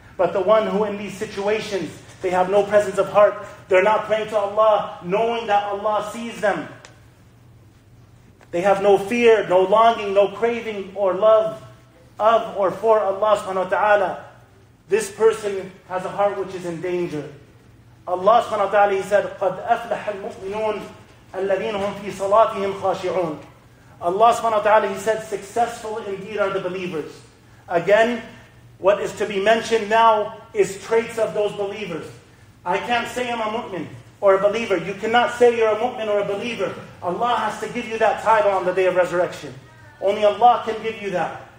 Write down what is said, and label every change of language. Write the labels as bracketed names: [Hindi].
[English] But the one who in these situations, they have no presence of heart, they're not praying to Allah, knowing that Allah sees them. They have no fear, no longing, no craving or love of or for Allah subhanahu wa ta'ala. This person has a heart which is in danger. Allah subhanahu wa ta'ala, He said, [Arabic] قَدْ أَفْلَحَ الْمُؤْمِنُونَ الَّذِينَ هُمْ فِي صَلَاتِهِمْ خَاشِعُونَ. [English] Allah subhanahu wa ta'ala, He said, successful indeed are the believers. Again, what is to be mentioned now is traits of those believers. I can't say I'm a mu'min or a believer. You cannot say you're a mu'min or a believer. Allah has to give you that title on the day of resurrection. Only Allah can give you that.